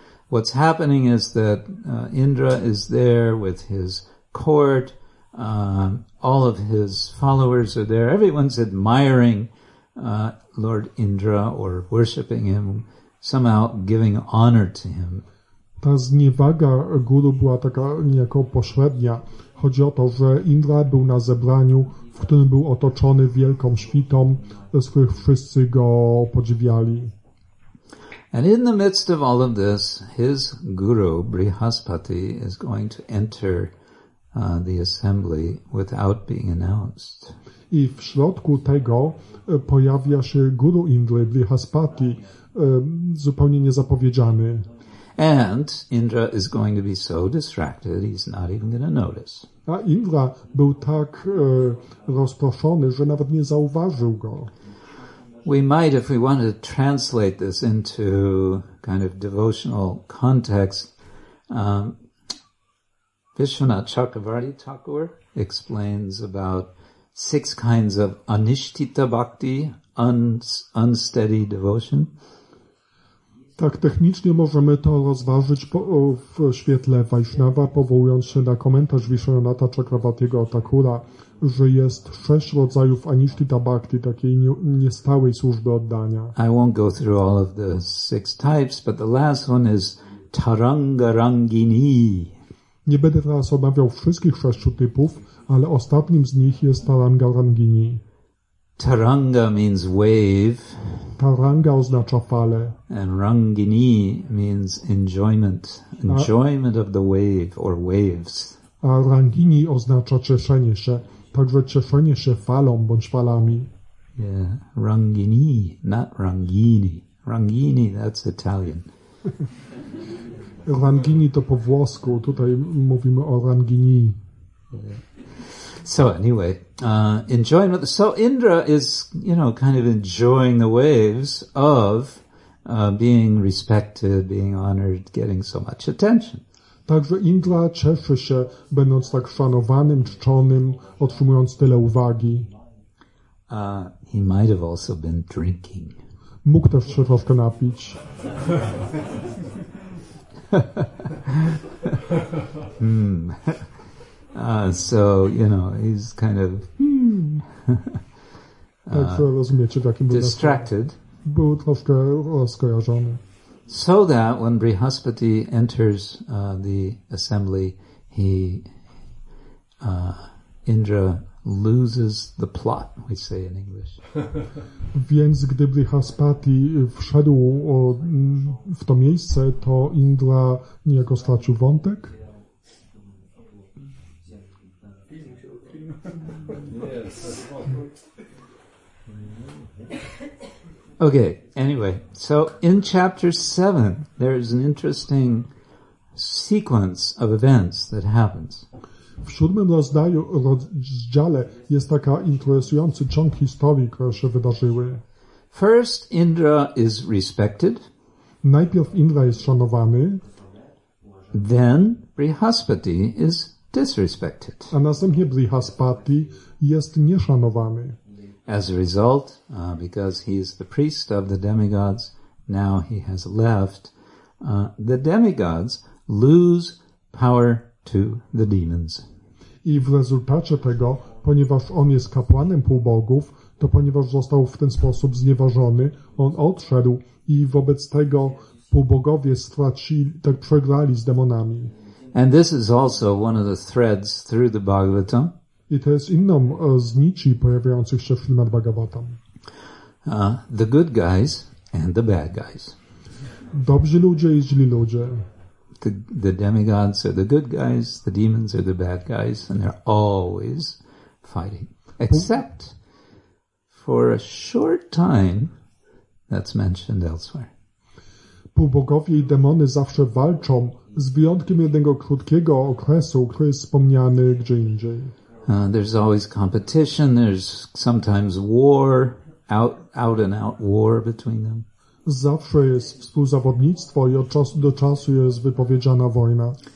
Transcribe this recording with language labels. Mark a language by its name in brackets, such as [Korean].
[English] What's happening is that Indra is there with his court, all of his followers are there, everyone's admiring Lord Indra or worshipping him, somehow giving honor to him. [Polish] Ta zniewaga guru była taka niejako pośrednia. Chodzi o to, że Indra był na zebraniu, w którym był otoczony wielką świtą, z których wszyscy go podziwiali. [English] And in the midst of all of this, his guru, Brihaspati, is going to enter the assembly without being announced. [Polish] I w środku tego pojawia się Guru Indra, Brihaspati, zupełnie niezapowiedziany. [English] And Indra is going to be so distracted, he's not even going to notice. [Polish] A Indra był tak rozproszony, że nawet nie zauważył go. [English] We might, if we wanted to translate this into kind of devotional context, Vishwanath Chakravarti Thakur explains about six kinds of anishtita bhakti, unsteady devotion. [Polish] Tak, technicznie możemy to rozważyć w świetle Vaishnava, powołując się na komentarz Vishwanatha Chakravartiego Thakura, że jest sześć rodzajów anishtita bhakti, takiej niestałej służby oddania. [English] I won't go through all of the six types, but the last one is tarangarangini. [Polish] Nie będę teraz omawiał wszystkich sześciu typów, ale ostatnim z nich jest tarangarangini. [English] Taranga means wave. [Polish] Taranga oznacza fale. [English] And rangini means enjoyment. Enjoyment of the wave or waves. [Polish] A rangini oznacza cieszenie się. Także cieszenie się falą bądź falami. [English] Yeah, rangini, not rangini. Rangini, that's Italian. [Polish] Rangini to po włosku. Tutaj mówimy o rangini. [English] So anyway, enjoyment. So Indra is, you know, kind of enjoying the waves of being respected, being honored, getting so much attention. [Polish] Także Indra cieszy się, będąc tak szanowanym, czczonym, otrzymując tyle uwagi. [English] He might have also been drinking. [Polish] Mógł też się troszkę napić. [English] So, you know, he's kind of distracted. [Polish] Był troszkę rozkojarzony. [English] So that when Brihaspati enters the assembly, Indra loses the plot, we say in English. [Polish] Więc gdy Brihaspati wszedł w to miejsce, to Indra niejako stracił wątek. [English] Yes. Okay, anyway, so in chapter 7, there is an interesting sequence of events that happens. [Polish] W siódmym rozdziale jest taka interesujący ciąg historii, które się wydarzyły. [English] First, Indra is respected. [Polish] Najpierw Indra jest szanowany. [English] Then, Brihaspati is disrespected. [Polish] A następnie Brihaspati jest nieszanowany. [English] As a result, because he is the priest of the demigods, now he has left, the demigods lose power to the demons. [Polish] I w rezultacie tego, ponieważ on jest kapłanem półbogów, to ponieważ został w ten sposób znieważony, on odszedł i wobec tego półbogowie przegrali z demonami. [English] And this is also one of the threads through the Bhagavatam. [Polish] I to jest inną z nici pojawiających się w filmach Bhagavatam. [English] The good guys and the bad guys. [Polish] Dobrzy ludzie i źli ludzie. [English] The demigods are the good guys, the demons are the bad guys, and they're always fighting. Except for a short time, that's mentioned elsewhere. [Polish] Półbogowie i demony zawsze walczą, z wyjątkiem jednego krótkiego okresu, który jest wspomniany gdzie indziej. [English] There's always competition, there's sometimes war, out and out war between them. [Polish] Zawsze jest współzawodnictwo i od czasu do czasu jest wypowiedziana wojna.